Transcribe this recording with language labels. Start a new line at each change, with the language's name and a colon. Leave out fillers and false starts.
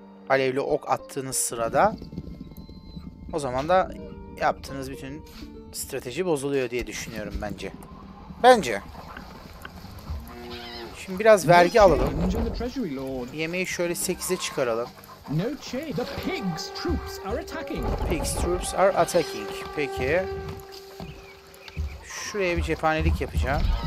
Turkish: Alevli ok attığınız sırada. O zaman da yaptığınız bütün strateji bozuluyor diye düşünüyorum bence. Bence. Şimdi biraz vergi alalım. Yemeği şöyle 8'e çıkaralım.
English: Pigs troops are attacking.
Turkish: Peki. Şuraya bir cephanelik yapacağım.